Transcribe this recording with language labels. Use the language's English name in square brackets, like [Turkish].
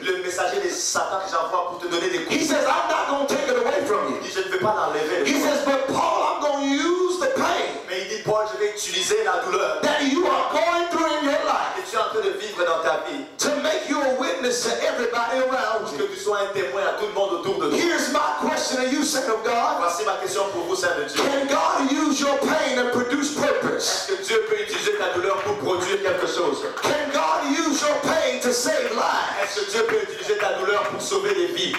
[French] le messager de Satan que j'envoie pour te donner des coups. [English] He says, I'm not going to take it away from you. [French] Je ne vais pas l'enlever. [English] He says, but Paul, I'm going to use the pain. [French] Mais il dit, Paul, je vais utiliser la douleur. [English] That you are going through in your life. [French] Que tu es en train de vivre dans ta vie. [English] To make you a witness to everybody around you. [French] Que tu sois un témoin à tout le monde autour de toi. [English] Here's my question to you, saint of God. [French] Voici ma question pour vous, saint de Dieu. [English] Can God use your pain and produce purpose? [French] Est-ce que Dieu peut utiliser ta douleur pour produire quelque chose? [English] Can God use your pain to save lives? [French] Est-ce que Dieu peut utiliser ta douleur pour sauver des vies?